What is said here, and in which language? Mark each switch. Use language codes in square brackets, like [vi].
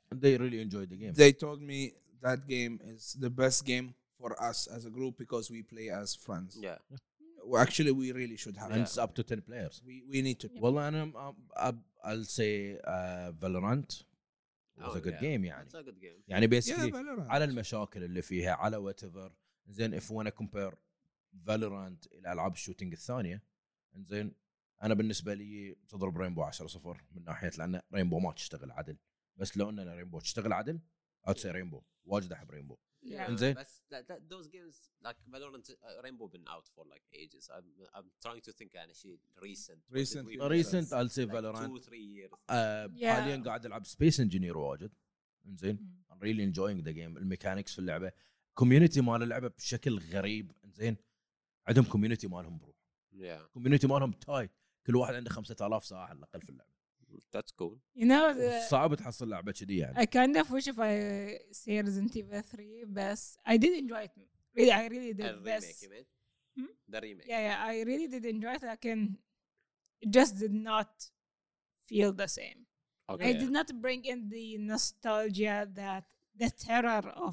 [en] And they really enjoyed the game. They told me that game is the best game for us as a group because we play as friends. Yeah. Well, actually, we really should have. And it's up to 10 players. We need to. Yep. Well, and I'll say Valorant was a good game. Yeah, it's a good game. [ar] يعني basically, على المشاكل اللي فيها على whatever. [en] And then if wanna compare [ar] Valorant إلى ألعاب shooting الثانية, [en] and then [ar] أنا بالنسبة لي تضرب Rainbow 10-0 من ناحية لأن Rainbow ما تشتغل عدل. بس لو أن Rainbow تشتغل عدل, [en] I'd say Rainbow. [ar] واجد أحب Rainbow. [en] Yeah, but that those games like Valorant, Rainbow been out for like ages. I'm trying to think actually recent. I'll say like Valorant 2-3 years. [ar] حاليا قاعد العب Space Engineer واجد. [en] إنزين, I'm really enjoying the game. The mechanics [ar] في اللعبة, community مال اللعبة بشكل غريب. إنزين, عندهم community مالهم برو. [en] Yeah. [ar] Community مالهم tight. كل واحد عنده 5,000 ساعة على الأقل في اللعبة. [en] That's cool. You know, [ar] صعب تحصل لعبة كذي يعني. [en] I kind of wish if I see Resident Evil 3, but I did enjoy it. Really, I really did. The remake, you mean? The remake. Yeah, I really did enjoy it. I can, it just did not feel the same. Okay. It did not bring in the nostalgia that the terror of.